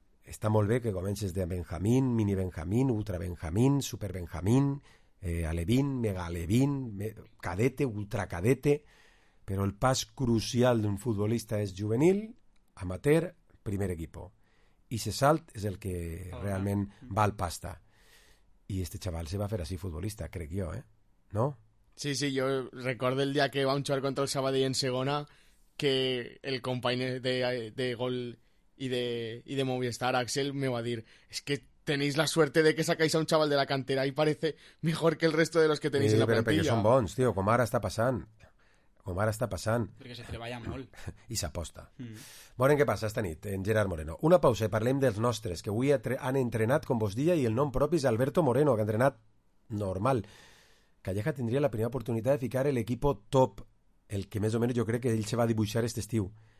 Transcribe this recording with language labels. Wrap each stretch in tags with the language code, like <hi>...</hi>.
<ca>està molt bé que comences de Benjamín, mini Benjamín, ultra Benjamín, super Benjamín, alevín, mega alevín, cadete, ultra cadete, però el pas crucial d'un futbolista és juvenil, amateur, primer equipo. I se salt és el que realment val pasta. I este xaval se va fer així futbolista, crec jo, eh? No? Sí, sí, jo recordo el dia que vam jugar contra el Sabadell en segona, que el company de gol i de Movistar, Axel, me va dir:</ca> <es>"Es que tenéis la suerte de que sacáis a un chaval de la cantera y parece mejor que el resto de los que tenéis en la plantilla".</es> <ca>Perquè són bons, tio, com ara està passant. Com ara està passant. Perquè se treballa molt. I s'aposta. Mm. Veurem què passa esta nit en Gerard Moreno. Una pausa i parlem dels nostres, que avui han entrenat, com vos dia, i el nom propi és Alberto Moreno, que ha entrenat normal. Calleja tindria la primera oportunitat de ficar l'equip top, el que més o menys jo crec que ell se va dibuixar aquest estiu.</ca>